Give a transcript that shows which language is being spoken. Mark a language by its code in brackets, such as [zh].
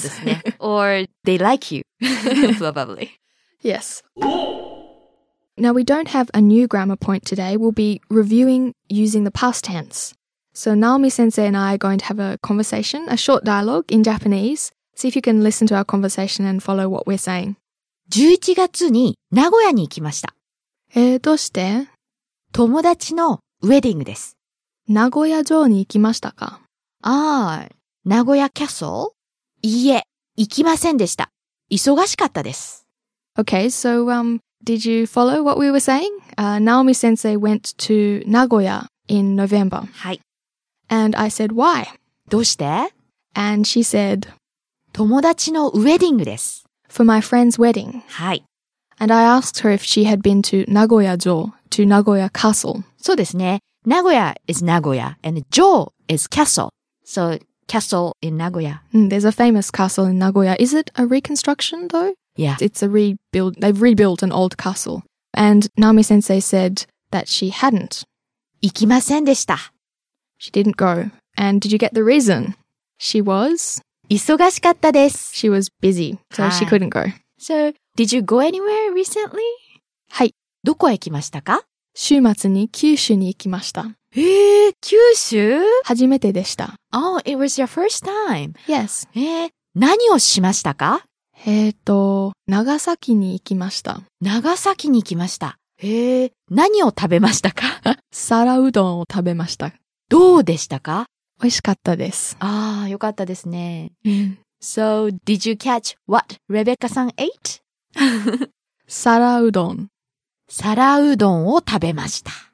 [en] So [ja] ですね. [en] Or they like you, probably. Yes. Now, we don't have a new grammar point today. We'll be reviewing using the past tense. So Naomi-sensei and I are going to have a conversation, a short dialogue in Japanese. See if you can listen to our conversation and follow what we're saying. [ja] 11月に名古屋に行きました。どうして? 友達のウェディングです。名古屋城に行きましたか? ああ。名古屋キャッソル? いいえ、行きませんでした。忙しかったです。 [en] Okay, so, did you follow what we were saying? Naomi-sensei went to Nagoya in November. [ja] はい。 [en] And I said, why? [ja] どうして? [en] And she said, [ja] 友達のウェディングです。 [en] For my friend's wedding. [ja] はい。 [en] And I asked her if she had been to Nagoya 城, to Nagoya Castle. [ja] そうですね。名古屋 [en] is 名古屋 and 城 is castle. So,Castle in Nagoya. There's a famous castle in Nagoya. Is it a reconstruction though? Yeah. It's a rebuild. They've rebuilt an old castle. And Naomi-sensei said that she hadn't. [ja] 行きませんでした。 [en] She didn't go. And did you get the reason? She was? 忙しかったです。 She was busy. So she couldn't go. So did you go anywhere recently? [ja] はい。どこへ行きましたか? 週末に九州に行きました。九州? 初めてでした。 [en] Oh, it was your first time. Yes. [ja] 何をしましたか? 長崎に行きました。長崎に行きました。何を食べましたか? 皿うどんを食べました。どうでしたか? 美味しかったです。ああ、よかったですね。 [en] So, did you catch what Rebecca さん ate? [ja] 皿うどん。皿うどんを食べました。